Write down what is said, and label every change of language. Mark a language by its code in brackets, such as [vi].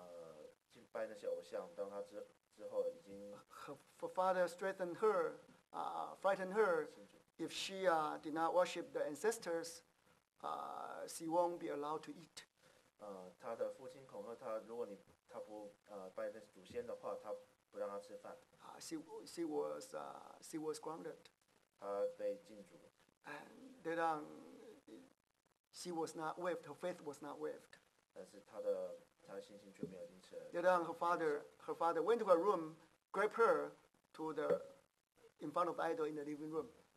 [zh] 我还记得有一位信徒呢，他当时见证他的家人如何去邀他敬拜那些偶像。当他之后已经 [en] her father frightened her if she did not worship the ancestors, she won't be allowed to eat. [zh] 她的父亲恐吓她，如果你她不拜那祖先的话，她不让她吃饭。 [en] She was grounded. [zh] 她被禁足. [en] And later on, she was not waived. Her faith was not waived. [zh] 但是她的信心却没有因此。 [en] Later on, her father went to her room, grabbed her to the in front of the idol in the living room.